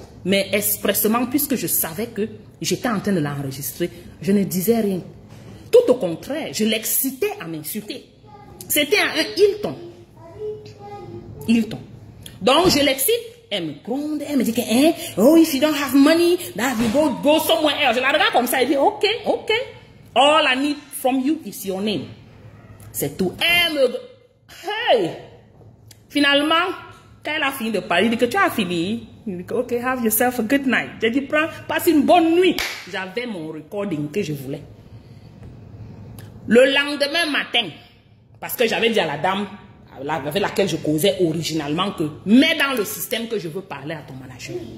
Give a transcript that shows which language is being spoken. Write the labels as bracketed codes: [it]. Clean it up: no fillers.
[fr] Mais expressement, puisque je savais que j'étais en train de l'enregistrer, je ne disais rien. Tout au contraire, je l'excitais à m'insulter. C'était un Hilton. Donc je l'excite, elle me gronde, elle me dit que, oh, [en] if you don't have money, that you go somewhere else. [fr] Je la regarde comme ça, elle dit, ok. [en] All I need from you is your name. [fr] C'est tout. Elle me... Hey! Finalement, quand elle a fini de parler, il dit que tu as fini. Il dit que ok, [en] have yourself a good night. [fr] J'ai dit, prends, passe une bonne nuit. J'avais mon recording que je voulais. Le lendemain matin, parce que j'avais dit à la dame avec laquelle je causais originalement que mets dans le système que je veux parler à ton manager.